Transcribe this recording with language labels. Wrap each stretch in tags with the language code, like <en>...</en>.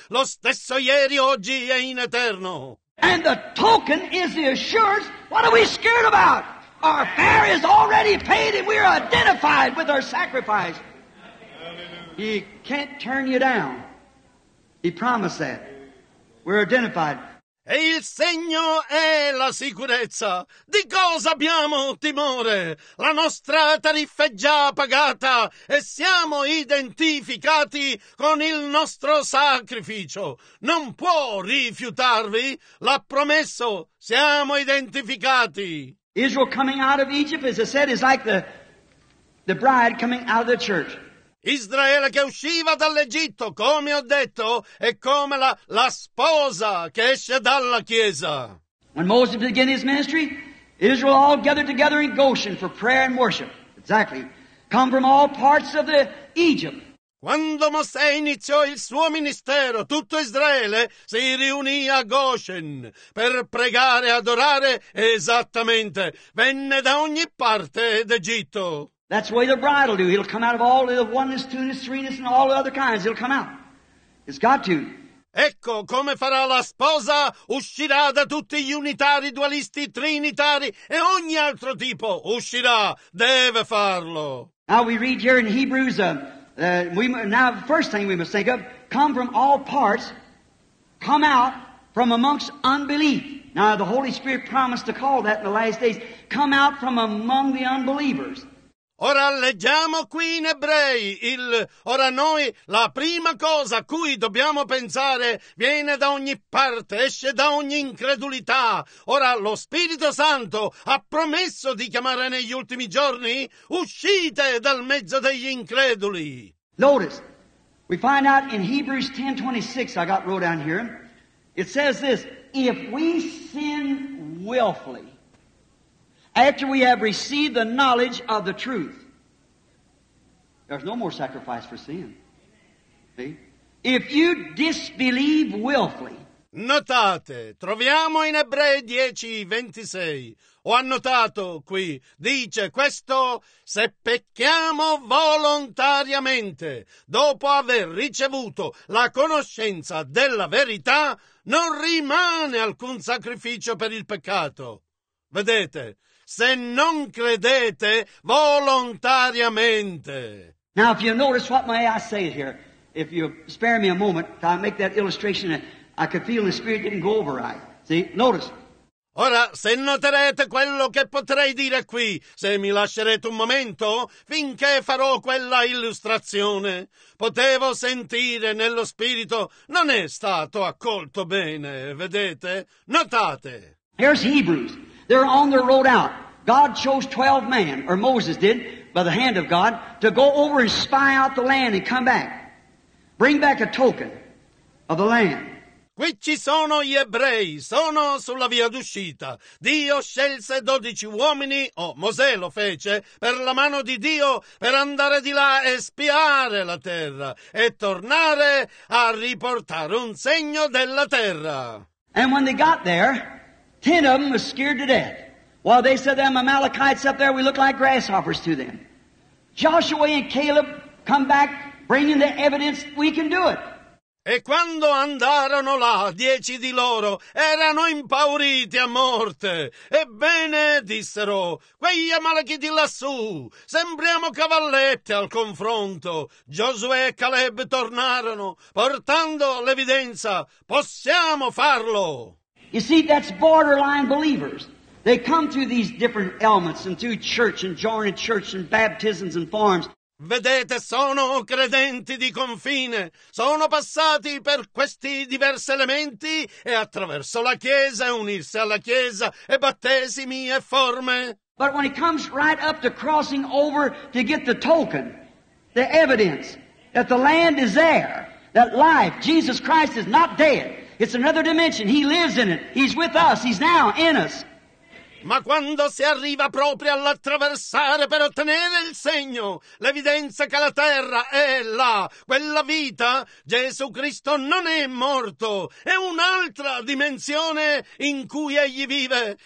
<it>Lo stesso ieri, oggi e in eterno.</it> <en>And the token is the assurance. What are we scared about? Our fare is already paid and we are identified with our sacrifice. He can't turn you down. He promised that. We're identified.</en> <it>E il segno è la sicurezza. Di cosa abbiamo timore? La nostra tariffa è già pagata e siamo identificati con il nostro sacrificio. Non può rifiutarvi. L'ha promesso. Siamo identificati.</it> <en>Israel coming out of Egypt, as I said, is like the bride coming out of the church.</en> <it>Israele che usciva dall'Egitto, come ho detto, è come la sposa che esce dalla chiesa.</it> <en>When Moses began his ministry, Israel all gathered together in Goshen for prayer and worship. Exactly. Come from all parts of the Egypt.</en> <it>Quando Mosè iniziò il suo ministero, tutto Israele si riunì a Goshen per pregare e adorare esattamente. Venne da ogni parte d'Egitto.</it> <en>That's the way the bride will do. He'll come out of all the oneness, two-ness, three-ness, and all the other kinds. He'll come out. It's got to.</en> <it>Ecco come farà la sposa, uscirà da tutti gli unitari, dualisti, trinitari e ogni altro tipo. Uscirà, deve farlo.</it> <en>Now we read here in Hebrews, now the first thing we must think of, come from all parts, come out from amongst unbelief. Now the Holy Spirit promised to call that in the last days, come out from among the unbelievers.</en> <it>Ora leggiamo qui in Ebrei, noi la prima cosa a cui dobbiamo pensare viene da ogni parte, esce da ogni incredulità. Ora lo Spirito Santo ha promesso di chiamare negli ultimi giorni, uscite dal mezzo degli increduli.</it> <en>Notice, we find out in Hebrews 10:26, I got wrote down here, it says this, if we sin willfully, after we have received the knowledge of the truth, there's no more sacrifice for sin. See? If you disbelieve willfully.</en> <it>Notate, troviamo in Ebrei 10:26. Ho annotato qui, dice questo, se pecchiamo volontariamente, dopo aver ricevuto la conoscenza della verità, non rimane alcun sacrificio per il peccato. Vedete? Se non credete volontariamente.</it> <en>Now, if you notice what may I say here, if you spare me a moment, if I make that illustration, I could feel the Spirit didn't go over right. See, notice.</en> <it>Ora, se noterete quello che potrei dire qui, se mi lascerete un momento, finché farò quella illustrazione, potevo sentire nello Spirito, non è stato accolto bene, vedete? Notate.</it> <en>Here's Hebrews. They're on their road out. God chose 12 men, or Moses did, by the hand of God, to go over and spy out the land and come back. Bring back a token of the land.</en> <it>Qui ci sono gli ebrei, sono sulla via d'uscita. Dio scelse 12 uomini, Mosè lo fece, per la mano di Dio, per andare di là e spiare la terra, e tornare a riportare un segno della terra.</it> <en>And when they got there, 10 of them were scared to death. While they said, them Amalekites up there, we look like grasshoppers to them. Joshua and Caleb come back, bringing the evidence we can do it.</en> <it>E quando andarono là, 10 di loro erano impauriti a morte. Ebbene, dissero, quegli Amalekiti lassù, sembriamo cavallette al confronto. Giosuè e Caleb tornarono, portando l'evidenza, possiamo farlo.</it> <en>You see, that's borderline believers. They come through these different elements and through church and joining church and baptisms and forms.</en> <it>Vedete, sono credenti di confine. Sono passati per questi diversi elementi e attraverso la Chiesa, unirsi alla Chiesa e battesimi e forme.</it> <en>But when it comes right up to crossing over to get the token, the evidence that the land is there, that life, Jesus Christ is not dead. It's another dimension. He lives in it. He's with us. He's now in us.</en> <it>Ma quando si arriva proprio all'attraversare per ottenere il segno, l'evidenza che la terra è là, quella vita, Gesù Cristo non è morto. È un'altra dimensione in cui Egli vive.</it>